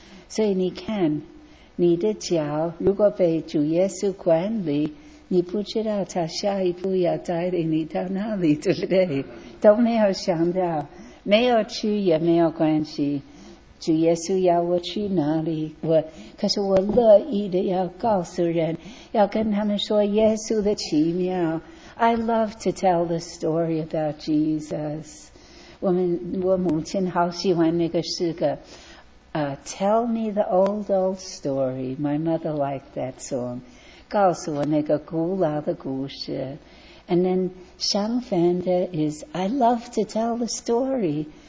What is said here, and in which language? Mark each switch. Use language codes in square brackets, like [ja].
[zh] 所以你看，你的脚如果被主耶稣管理，你不知道他下一步要带领你到哪里，对不对？都没有想到，没有去也没有关系。主耶稣要我去哪里，可是我乐意的要告诉人，要跟他们说耶稣的奇妙。 [en] I love to tell the story about Jesus. [zh] 我母亲好喜欢那个诗歌。 [en] Tell me the old, old story. My mother liked that song. [zh] 告诉我那个古老的故事。 [en] And then [zh] 相反的 [en] is, I love to tell the story.